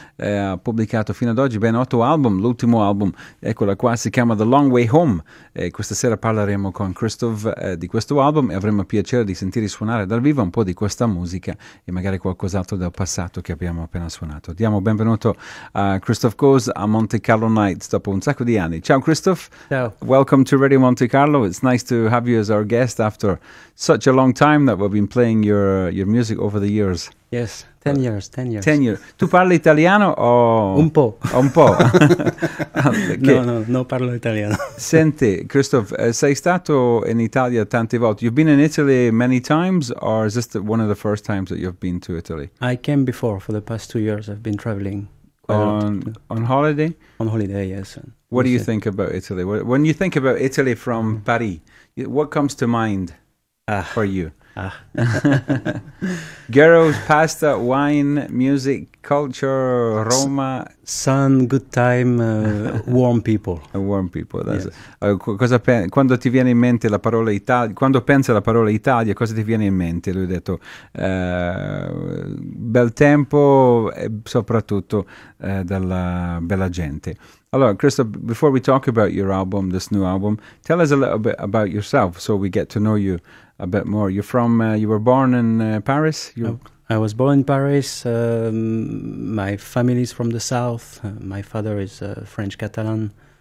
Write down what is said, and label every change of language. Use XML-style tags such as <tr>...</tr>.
<it>Ha pubblicato fino ad oggi ben 8 album. L'ultimo album, eccola qua, si chiama The Long Way Home. Questa sera parleremo con Christophe di questo album e avremo il piacere di sentire suonare dal vivo un po' di questa musica e magari qualcos'altro del passato che abbiamo appena suonato. Diamo benvenuto a Christophe Goze a Monte Carlo Nights dopo un sacco di anni. Ciao, Christophe, Ciao.</it> <en>welcome to Radio Monte Carlo. It's nice to have you as our guest after such a long time that we've been playing your music over the years. Yes, 10 years, 10 years. 10 years.</en> <it>Tu parli italiano Un po'. o un po'? No, no, non parlo italiano. Senti, Christophe, sei stato in Italia tante volte.</it> <en>You've been in Italy many times, or is this one of the first times that you've been to Italy? I came before. For the past 2 years, I've been traveling quite a lot. On holiday? On holiday, yes. What do you think about Italy? When you think about Italy from Paris, what comes to mind for you? Girls, pasta, wine, music, culture, Roma. Sun, good time, warm people. Warm people. Yes.</en> <it>Quando ti viene in mente la parola Italia, quando pensi alla parola Italia, cosa ti viene in mente? Lui ha detto bel tempo e soprattutto della bella gente.</it> <en>Allora, Christophe, before we talk about your album, this new album, tell us a little bit about yourself so we get to know you a bit more. You were born in Paris. I was born in Paris. My family is from the south. My father is French Catalan.</en>